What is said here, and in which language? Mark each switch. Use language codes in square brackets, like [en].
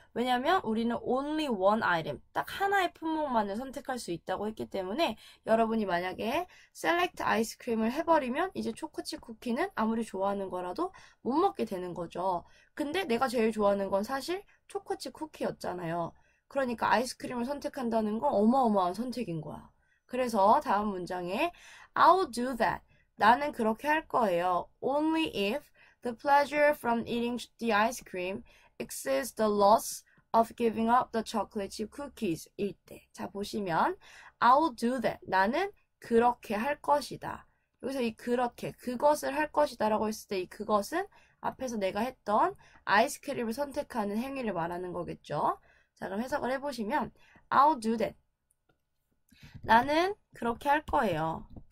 [ko] 왜냐하면 우리는 [en] only one item, [ko] 딱 하나의 품목만을 선택할 수 있다고 했기 때문에 여러분이 만약에 [en] select ice cream [ko] 을 해버리면 이제 초코칩 쿠키는 아무리 좋아하는 거라도 못 먹게 되는 거죠. 근데 내가 제일 좋아하는 건 사실 초코칩 쿠키였잖아요. 그러니까 아이스크림을 선택한다는 건 어마어마한 선택인 거야. 그래서 다음 문장에 [en] I'll do that. [ko] 나는 그렇게 할 거예요. [en] Only if The pleasure from eating the ice cream exceeds the loss of giving up the chocolate chip cookies [ko] 일 때. 자, 보시면 [en] I'll do that. [ko] 나는 그렇게 할 것이다. 여기서 이 그렇게, 그것을 할 것이다 라고 했을 때이 그것은 앞에서 내가 했던 아이스크림을 선택하는 행위를 말하는 거겠죠. 자, 그럼 해석을 해보시면 [en] I'll do that. [ko] 나는 그렇게 할 거예요.